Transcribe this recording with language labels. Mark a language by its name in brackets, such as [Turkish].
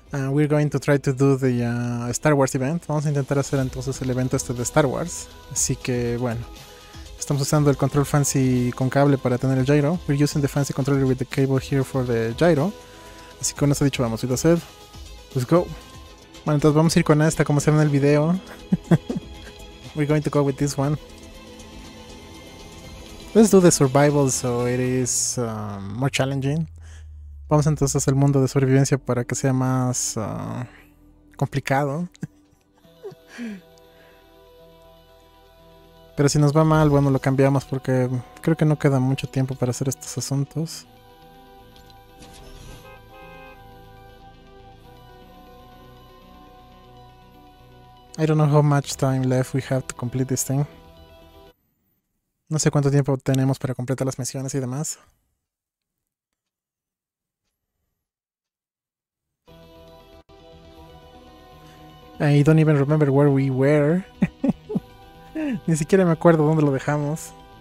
[English] We're going to try to do the Star Wars event. [Spanish] Vamos a intentar hacer entonces el evento este de Star Wars. Así que, bueno. Estamos usando el control fancy con cable para tener el gyro. [English] We're using the fancy controller with the cable here for the gyro. [Spanish] Así que con eso dicho, vamos, y lo sed. [English] Let's go. [Spanish] Bueno, entonces vamos a ir con esta, como se ve en el video. [English] We're going to go with this one. Let's do the survival so it is more challenging. [Spanish] Vamos entonces al mundo de sobrevivencia para que sea más complicado. Pero si nos va mal, bueno, lo cambiamos porque creo que no queda mucho tiempo para hacer estos asuntos. [English] I don't know how much time left we have to complete this thing. [Spanish] No sé cuánto tiempo tenemos para completar las misiones y demás. [English] I don't even remember where we were. [Spanish] Ni siquiera me acuerdo dónde lo dejamos.